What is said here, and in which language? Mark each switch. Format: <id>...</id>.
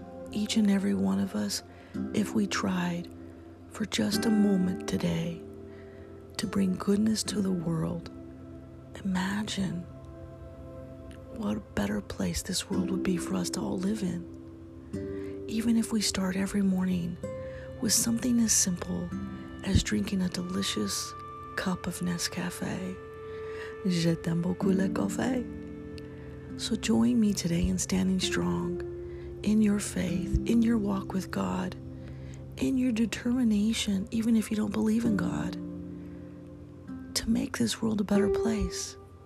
<en>Each and every one of us, if we tried for just a moment today to bring goodness to the world, imagine what a better place this world would be for us to all live in. Even if we start every morning with something as simple as drinking a delicious cup of Nescafe.</en> <fr>Je t'aime beaucoup le café.</fr> <en>So join me today in standing strong in your faith, in your walk with God, in your determination, even if you don't believe in God, to make this world a better place.</en>